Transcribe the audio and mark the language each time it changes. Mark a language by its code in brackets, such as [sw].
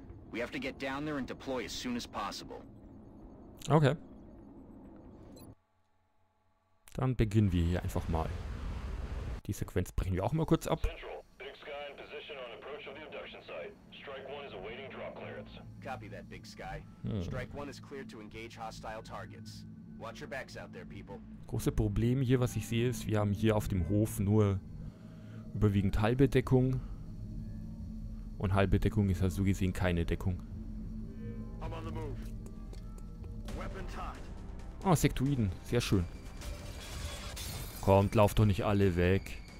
[en] We have to get down there and deploy as soon as possible. Okay. [de] Dann beginnen wir hier einfach mal. Die Sequenz brechen wir auch mal kurz ab. [en] Central, Big Sky in position on approach of the abduction site. Strike 1 is awaiting drop clearance. Copy that, Big Sky. Strike 1 is cleared to engage hostile targets. Watch your backs out there, people. [de] Große Problem hier, was ich sehe, ist, wir haben hier auf dem Hof nur überwiegend halbe Deckung. Und halbe Deckung ist ja so gesehen keine Deckung. Oh, Sektoiden. Sehr schön. Kommt, lauft doch nicht alle weg.